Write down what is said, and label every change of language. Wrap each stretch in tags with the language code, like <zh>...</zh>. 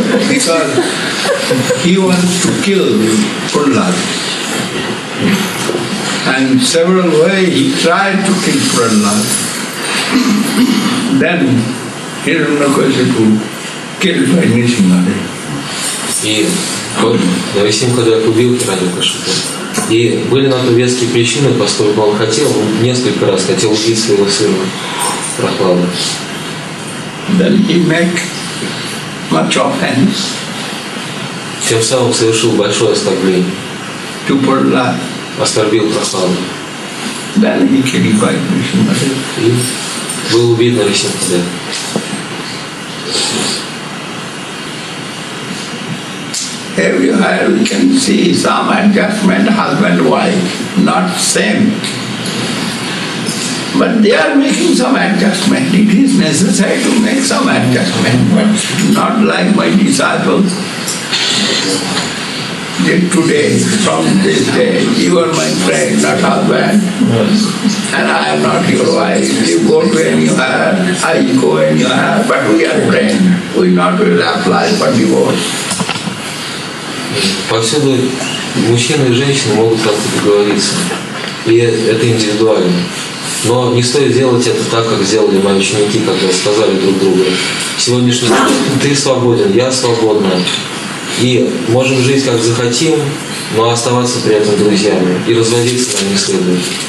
<en>Because he wants to kill for love. And several ways he tried to kill Prahlad. Then Hiranyakashipu killed by Nrisimha Dev.</en> <ru>И Нарисимха Дев убил Хираньякашипу. И были на то веские причины, поскольку он хотел, он несколько раз хотел убить своего сына Прохлада.</ru> <en>Then he make much offense.</en> <ru>Тем самым совершил большое оскорбление.</ru> <en>To Prahlad.</en> <ru>Оскорбил Прохлада.</ru> <en>Then he killed by Нарисимха</en> <ru>Дев. И был убит Нарисимха Дев.</ru> <en>Everywhere we can see some adjustment, husband, wife, not same. But they are making some adjustment. It is necessary to make some adjustment, but not like my disciples. Today, from this day, you are my friend, not husband. And I am not your wife. You go to anywhere, I go anywhere, but we are friends. We not will apply for divorce.</en> <ru>Повсюду мужчины и женщины могут как-то договориться, и это индивидуально. Но не стоит делать это так, как сделали мои ученики, когда сказали друг другу: сегодняшний день ты свободен, я свободна, и можем жить как захотим, но оставаться при этом друзьями, и разводиться нам не следует.</ru>